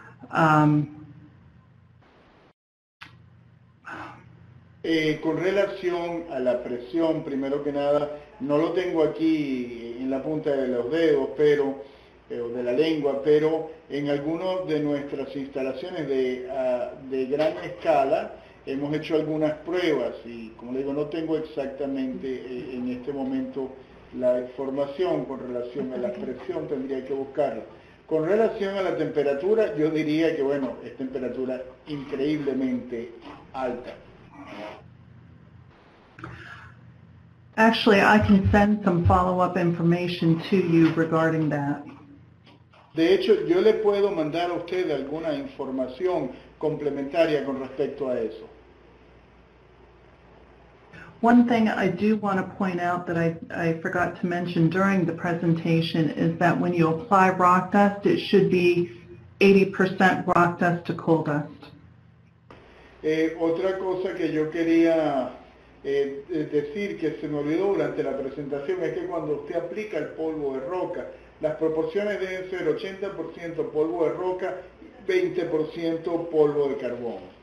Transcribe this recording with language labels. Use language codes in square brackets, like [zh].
[es] Con relación a la presión, primero que nada, no lo tengo aquí en la punta de los dedos, pero de la lengua, pero en algunas de nuestras instalaciones de gran escala hemos hecho algunas pruebas y, como le digo, no tengo exactamente en este momento la información con relación a la presión, tendría que buscarla. Con relación a la temperatura, yo diría que, bueno, es temperatura increíblemente alta. [en] Actually, I can send some follow-up information to you regarding that. [es] De hecho, yo le puedo mandar a usted alguna información complementaria con respecto a eso. [en] One thing I do want to point out that I forgot to mention during the presentation is that when you apply rock dust, it should be 80% rock dust to coal dust. [es] Otra cosa que yo quería decir que se me olvidó durante la presentación es que cuando usted aplica el polvo de roca, las proporciones deben ser 80% polvo de roca, 20% polvo de carbón.